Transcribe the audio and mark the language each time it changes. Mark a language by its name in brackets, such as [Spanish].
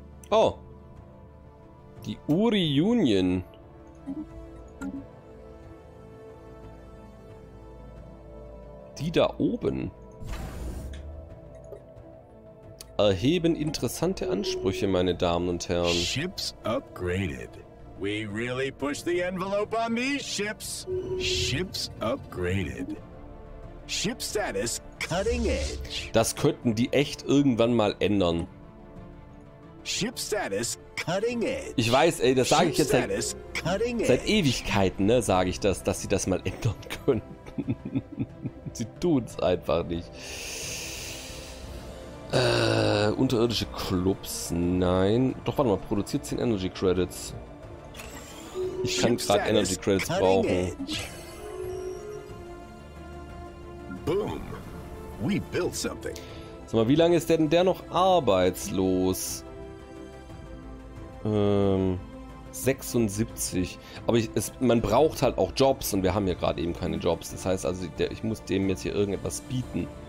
[German] Oh! Die Uri Union. Die da oben. Erheben interessante Ansprüche, meine Damen und Herren. [English] Ships upgraded. We really push the envelope on these ships. Ships upgraded. Ship status cutting edge. [German] Das könnten die echt irgendwann mal ändern. [English] Ship status cutting edge. [German] Ich weiß, ey, das sage ich jetzt seit Ewigkeiten, ne, sage ich das, dass sie das mal ändern könnten. Sie tun es einfach nicht. Unterirdische Clubs, nein. Doch, warte mal, produziert 10 Energy Credits. Ich kann gerade Energy Credits brauchen. [English] Edge. Boom. We built something. [German] Sag mal, wie lange ist denn der noch arbeitslos? 76. Aber man braucht halt auch Jobs und wir haben hier gerade eben keine Jobs. Das heißt also, ich muss dem jetzt hier irgendetwas bieten.